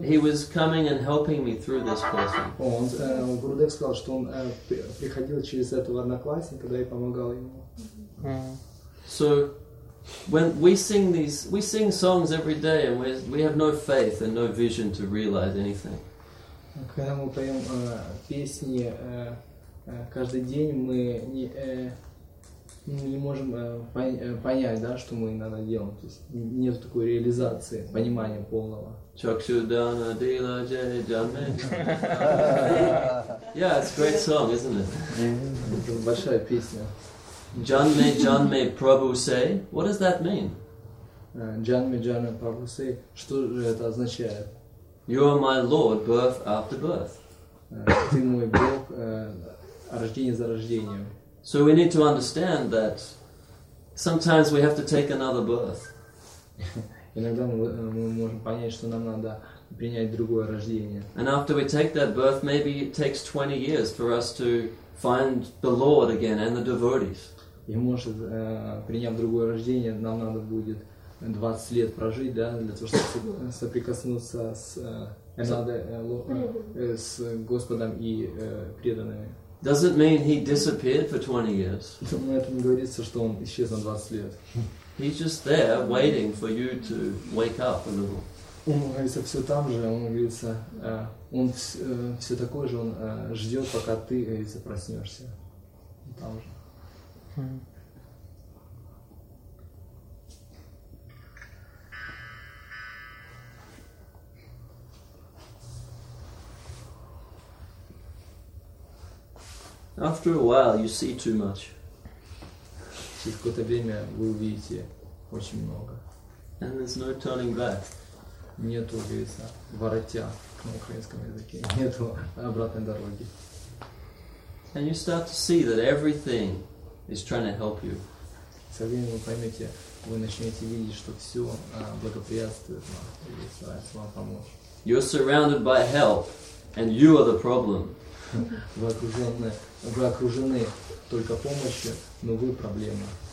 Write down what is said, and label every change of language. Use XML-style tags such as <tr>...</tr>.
<en>He was coming and helping me through this person.</en> <ru>Он Gurudev сказал, что он приходил через этого одноклассника, когда я помогал ему.</ru> <en>So when we sing songs every day, and we have no faith and no vision to realize anything.</en> <ru>Когда мы поем песни каждый день, мы не не можем понять, да, что мы иногда делаем, то есть нет такой реализации, понимания полного.</ru> <bn>Чакшудана дила джей джамэ.</bn> <en>Yeah, it's a great song, isn't it?</en> <ru>Это большая песня.</ru> <bn>Джанме джанме прабусей.</bn> <en>What does that mean?</en> <bn>Джанме джанме прабусей.</bn> <ru>Что же это означает?</ru> <en>You are my Lord, birth after birth.</en> <ru>Ты мой Бог, рождение за рождением.</ru> <en>So we need to understand that sometimes we have to take another birth.</en> <ru>Иногда мы можем понять, что нам надо принять другое рождение.</ru> <en>And after we take that birth, maybe it takes 20 years for us to find the Lord again and the devotees.</en> <ru>И может, приняв другое рождение, нам надо будет 20 лет прожить, да, для того, чтобы соприкоснуться с с Господом и преданными.</ru> <en>Does it mean he disappeared for 20 years?</en> <ru>На этом говорится, что он исчез на 20 лет.</ru> <en>He's just there waiting for you to wake up a little.</en> <ru>Он говорится, все там же, он говорится, он все такой же, он ждет, пока ты проснешься. Там же.</ru> <en>After a while, you see too much.</en> <ru>Через какое-то время вы увидите очень много.</ru> <en>And there's no turning back.</en> <ru>Нету, говорится, воротя на украинском языке. Нету обратной дороги.</ru> <en>And you start to see that everything is trying to help you.</en> <ru>Со временем вы поймете, вы начнете видеть, что все благоприятствует вам и старается вам помочь.</ru> <en>You're surrounded by help, and you are the problem.</en> <ru>Вы окружены только помощью, но вы проблема.</ru>